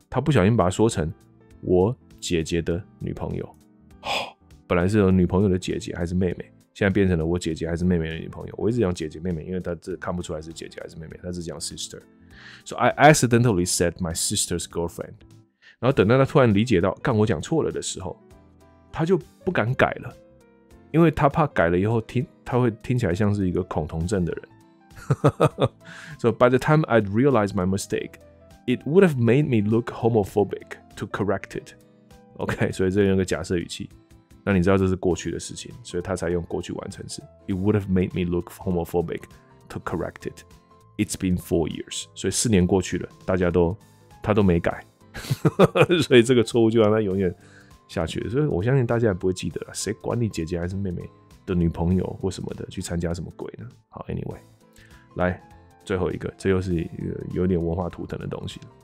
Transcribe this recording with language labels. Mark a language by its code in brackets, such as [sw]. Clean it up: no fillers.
[zh] 他不小心把它说成我姐姐的女朋友，本来是有女朋友的姐姐还是妹妹，现在变成了我姐姐还是妹妹的女朋友。我一直讲姐姐妹妹，因为他这看不出来是姐姐还是妹妹，他只讲 sister。 [en] So I accidentally said my sister's girlfriend。 [zh] 然后等到他突然理解到，干我讲错了的时候，他就不敢改了，因为他怕改了以后他会听起来像是一个恐同症的人。 [en] So by the time I'd realized my mistake。 It would have made me look homophobic to correct it. [zh] OK， 所以这用个假设语气。那你知道这是过去的事情，所以他才用过去完成式。 [en] It would have made me look homophobic to correct it. It's been 4 years. [zh] 所以四年过去了，他都没改，所以这个错误就让他永远下去了。所以我相信大家也不会记得了，谁管你姐姐还是妹妹的女朋友或什么的去参加什么鬼呢？好 ，Anyway， 来。最后一个，这又是一个有点文化图腾的东西。